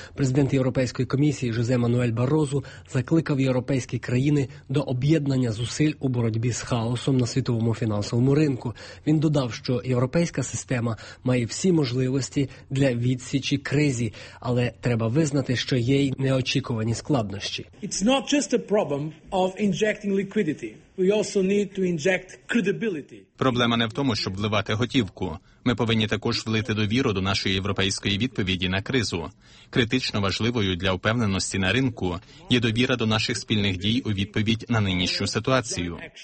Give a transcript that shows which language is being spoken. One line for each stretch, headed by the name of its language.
Ukrainian: Президент Європейської комісії Жозе Мануель Барозу закликав європейські країни до об'єднання зусиль у боротьбі з хаосом на світовому фінансовому ринку. Він додав, що європейська система має всі можливості для відсічі кризі, але треба визнати, що є й неочікувані складнощі.
English: It's not just a problem of injecting liquidity. We also need to inject credibility.
Ukrainian: Проблема не в тому, щоб вливати готівку. Ми повинні також влити довіру до нашої європейської відповіді на кризу. Критично важливою для впевненості на ринку є довіра до наших спільних дій у відповідь на нинішню ситуацію.